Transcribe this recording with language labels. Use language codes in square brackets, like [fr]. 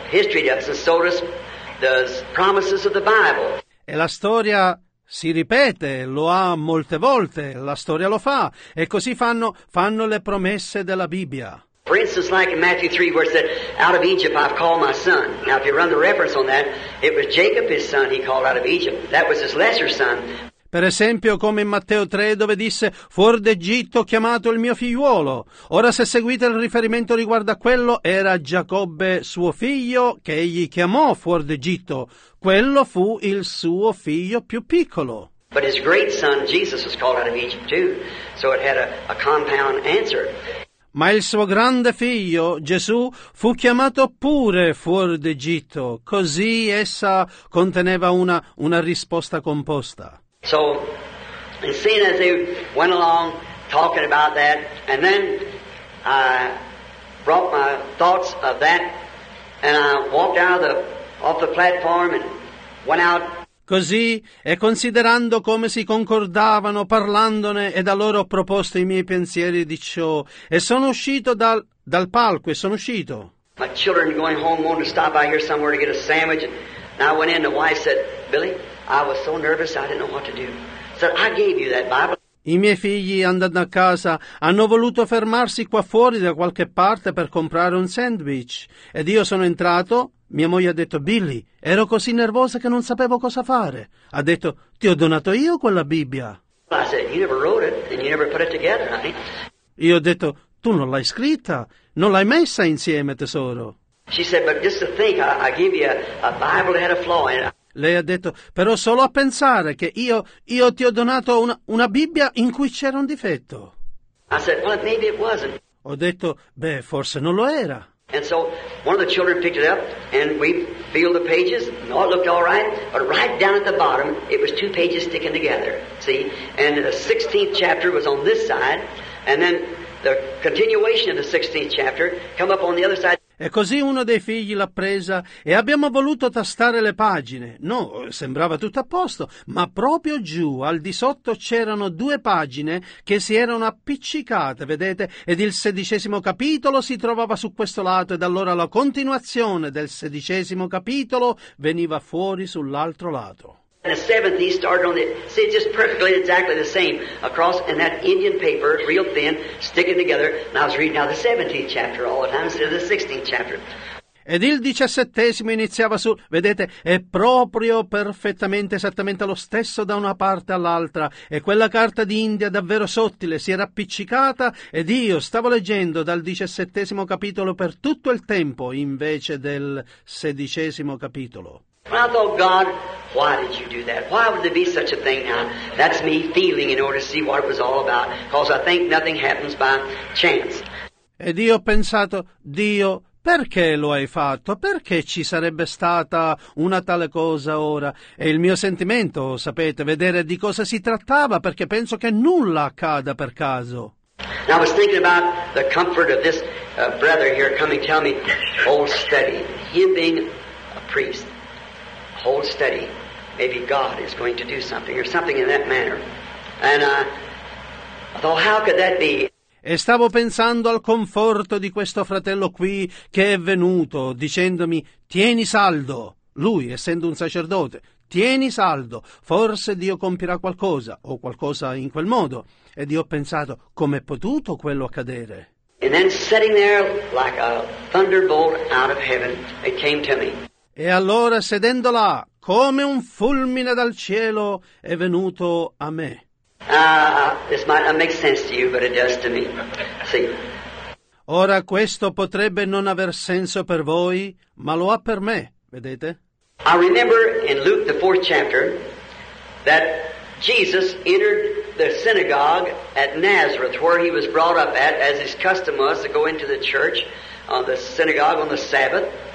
[en] History does, and so does the promises of the Bible. [it] E la storia si ripete, lo ha molte volte, la storia lo fa, e così fanno le promesse della Bibbia. [en] For instance, like in Matthew 3, where it said, out of Egypt I've called my son. Now if you run the reference on that, it was Jacob his son he called out of Egypt. That was his lesser son. [it] Per esempio, come in Matteo 3, dove disse, fuor d'Egitto ho chiamato il mio figliuolo. Ora, se seguite il riferimento riguardo a quello, era Giacobbe suo figlio che egli chiamò fuor d'Egitto. Quello fu il suo figlio più piccolo. [en] But his great son, Jesus, was called out of Egypt too, so it had a compound answer. [it] Ma il suo grande figlio, Gesù, fu chiamato pure fuor d'Egitto. Così essa conteneva una risposta composta. [en] So, and seeing as they went along talking about that, and then I brought my thoughts of that, and I walked out off the platform and went out. [it] Così, e considerando come si concordavano parlandone, e da loro ho proposto i miei pensieri di ciò, e sono uscito dal palco, e sono uscito. [en] My children going home, wanted to stop by here somewhere to get a sandwich. And I went in, the wife said, Billy, I was so nervous, I didn't know what to do. So I gave you that Bible. [it] I miei figli, andando a casa, hanno voluto fermarsi qua fuori da qualche parte per comprare un sandwich. Ed io sono entrato, mia moglie ha detto, Billy, ero così nervosa che non sapevo cosa fare. Ha detto, ti ho donato io quella Bibbia. [en] I said, you never wrote it and you never put it together, honey. [it] Io ho detto, tu non l'hai scritta, non l'hai messa insieme, tesoro. [en] She said, but just to think, I give you a Bible that had a flaw in it. [it] Lei ha detto, però solo a pensare che io ti ho donato una Bibbia in cui c'era un difetto. [en] I said, well, maybe it wasn't. [it] Ho detto, beh, forse non lo era. [en] And so one of the children picked it up and we filled the pages. No, it looked all right, but right down at the bottom, it was two pages sticking together. See, and the 16th chapter was on this side, and then the continuation of the 16th chapter come up on the other side. [it] E così uno dei figli l'ha presa e abbiamo voluto tastare le pagine. No, sembrava tutto a posto, ma proprio giù, al di sotto, c'erano due pagine che si erano appiccicate, vedete? Ed il 16° capitolo si trovava su questo lato ed allora la continuazione del 16° capitolo veniva fuori sull'altro lato. [en] And the 7th, he started on the, see, just perfectly, exactly the same, across, and that Indian paper, real thin, sticking together, and I was reading now the 17th chapter all the time instead of the 16th chapter. [it] Ed il 17° iniziava su, vedete, è proprio perfettamente, esattamente lo stesso da una parte all'altra, e quella carta d'India davvero sottile si era appiccicata, ed io stavo leggendo dal 17° capitolo per tutto il tempo, invece del 16° capitolo. [en] Well, I thought, God, why did you do that? Why would there be such a thing now? That's me feeling in order to see what it was all about, because I think nothing happens by chance. [it] Ed io ho pensato, Dio, perché lo hai fatto? Perché ci sarebbe stata una tale cosa ora? E il mio sentimento, sapete, vedere di cosa si trattava, perché penso che nulla accada per caso. [en] Now, I was thinking about the comfort of this brother here coming to tell me, old study, him being a priest. Hold steady. Maybe God is going to do something or something in that manner. And I thought, how could that be? [it] E stavo pensando al conforto di questo fratello qui che è venuto dicendomi, tieni saldo. Lui, essendo un sacerdote, tieni saldo. Forse Dio compirà qualcosa o qualcosa in quel modo. Ed io ho pensato, come è potuto quello accadere? [en] And then sitting there like a thunderbolt out of heaven, it came to me. [it] E allora, sedendo là, come un fulmine dal cielo, è venuto a me. [en] This might not make sense to you, but it does to me. See. [it] Ora, questo potrebbe non aver senso per voi, ma lo ha per me, vedete? [en] I remember in Luke, the 4th chapter, that Jesus entered the synagogue at Nazareth, where he was brought up at, as his custom was to go into the church, on the synagogue on the Sabbath.